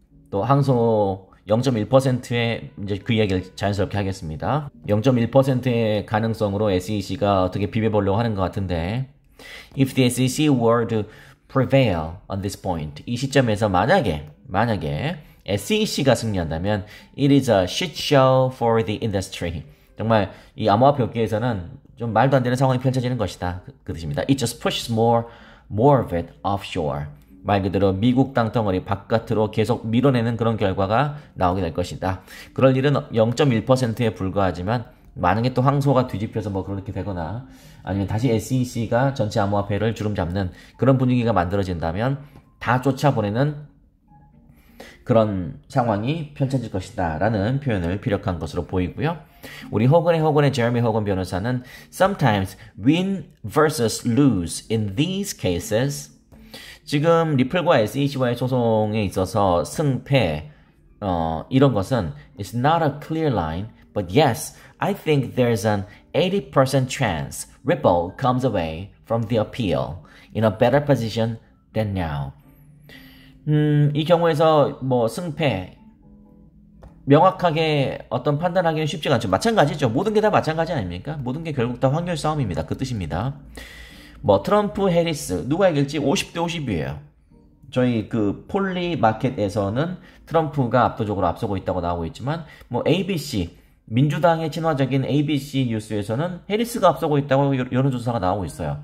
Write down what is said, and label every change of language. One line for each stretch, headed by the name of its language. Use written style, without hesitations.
Korean: 또 항소 0.1%의 이제 그 얘기를 자연스럽게 하겠습니다. 0.1%의 가능성으로 SEC가 어떻게 비벼보려고 하는 것 같은데,
English: If the SEC were to prevail on this point,
Korean: 이 시점에서 만약에, SEC가 승리한다면,
English: it is a shit show for the industry.
Korean: 정말, 이 암호화폐 업계에서는 좀 말도 안 되는 상황이 펼쳐지는 것이다. 그 뜻입니다.
English: It just pushes more of it offshore.
Korean: 말 그대로 미국 땅덩어리 바깥으로 계속 밀어내는 그런 결과가 나오게 될 것이다. 그럴 일은 0.1%에 불과하지만, 만약에 또 항소가 뒤집혀서 뭐 그렇게 되거나, 아니면 다시 SEC가 전체 암호화폐를 주름잡는 그런 분위기가 만들어진다면, 다 쫓아보내는 그런 상황이 펼쳐질 것이다 라는 표현을 필요한 것으로 보이고요. 우리 허건의 제레미 허건 변호사는
English: Sometimes win versus lose in these cases
Korean: 지금 리플과 SEC와의 소송에 있어서 승패 이런 것은
English: It's not a clear line But yes, I think there's an 80% chance Ripple comes away from the appeal in a better position than now.
Korean: 이 경우에서 뭐 승패 명확하게 어떤 판단하기는 쉽지 않죠. 마찬가지죠. 모든 게 다 마찬가지 아닙니까? 모든 게 결국 다 확률 싸움입니다. 그 뜻입니다. 뭐 트럼프 해리스 누가 이길지 50대 50이에요. 저희 그 폴리 마켓에서는 트럼프가 압도적으로 앞서고 있다고 나오고 있지만 뭐 ABC 민주당의 친화적인 ABC 뉴스에서는 해리스가 앞서고 있다고 여론조사가 나오고 있어요.